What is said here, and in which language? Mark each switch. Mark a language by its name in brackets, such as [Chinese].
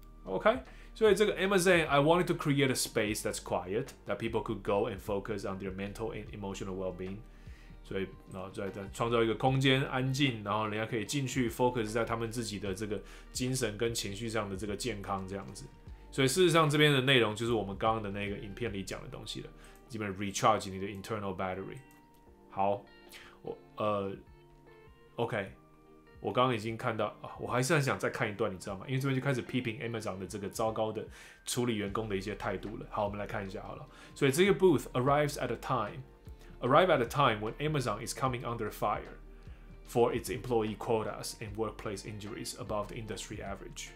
[English] OK， [Chinese] 所以这个 [English] Amazon， I wanted to create a space that's quiet that people could go and focus on their mental and emotional well-being。 [Chinese] 所以，然后在创造一个空间安静，然后人家可以进去 focus 在他们自己的这个精神跟情绪上的这个健康这样子。所以事实上这边的内容就是我们刚刚的那个影片里讲的东西了，基本 recharge 你的 [English] internal battery。 [Chinese] 好，我OK， 我刚刚已经看到，我还是很想再看一段，你知道吗？因为这边就开始批评 Amazon 的这个糟糕的处理员工的一些态度了。好，我们来看一下好了。所以这个 [English] booth arrives at a time。 Arrive at a time when Amazon is coming under fire for its employee quotas and workplace injuries above the industry average.